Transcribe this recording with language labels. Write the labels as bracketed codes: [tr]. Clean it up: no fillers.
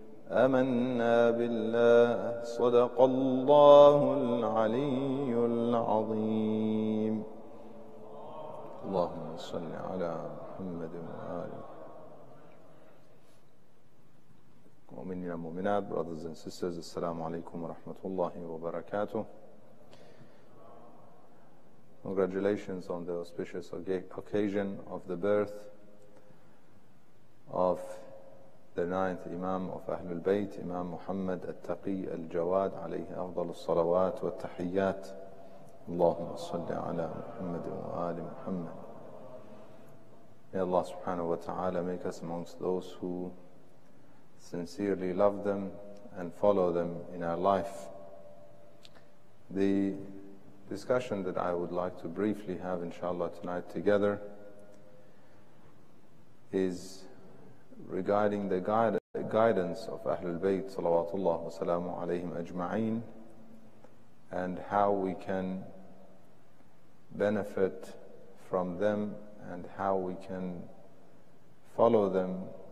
[ar] آمنا بالله صدق الله العلي العظيم. اللهم صل على محمد وآل مؤمنين المؤمنات. [en] Brothers and sisters, [ar] السلام عليكم ورحمة الله وبركاته. [en] Congratulations on the auspicious occasion of the birth of the ninth Imam of Ahlul Bayt, Imam Muhammad al-Taqi al-Jawad [ar] عليه أفضل الصلوات والتحيات. اللهم صل على محمد وآل محمد. [en] May Allah subhanahu wa ta'ala make us amongst those who sincerely love them and follow them in our life. The discussion that I would like to briefly have inshallah tonight together is regarding the guidance of Ahlul Bayt salawatullah wa salamu alayhim ajma'in, and how we can benefit from them and how we can follow them.